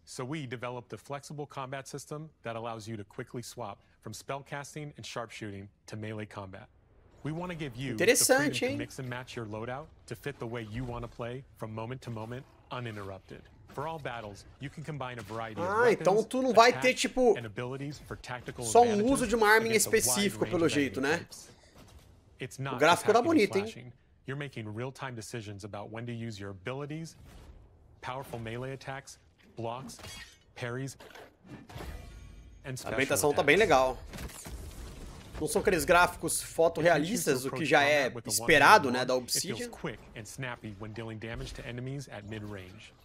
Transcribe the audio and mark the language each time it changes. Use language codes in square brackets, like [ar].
[en] So we developed a flexible combat system that allows you to quickly swap from spellcasting and sharpshooting to melee combat. We want to give you the freedom to mix and match your loadout to fit the way you want to play from moment to moment, uninterrupted. For all battles, you can combine a variety of weapons, [pt] então tu não vai ter tipo só um uso de uma arma em específico pelo jeito, né? O gráfico tá bonito, hein? [en] You're making real-time decisions about when to use your abilities, powerful melee attacks, blocks, parries, and special attacks. [pt] A ambientação tá bem legal. Não são aqueles gráficos fotorrealistas, o que já é esperado, né, da Obsidian. [en] It feels quick and snappy when dealing damage to enemies at mid-range.